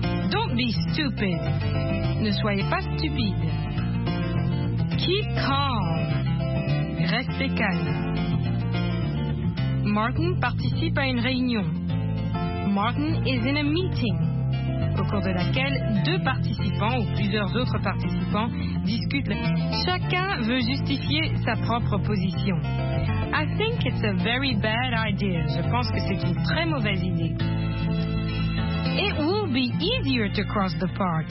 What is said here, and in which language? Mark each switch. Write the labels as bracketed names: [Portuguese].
[English] Don't be stupid. [French] Ne soyez pas stupide. [English] Keep calm. [French] Restez calme. Martin participe à une réunion. [English] Martin is in a meeting. [French] Au cours de laquelle deux participants ou plusieurs autres participants discutent. Chacun veut justifier sa propre position. [English] I think it's a very bad idea. [French] Je pense que c'est une très mauvaise idée. [English] It will be easier to cross the park.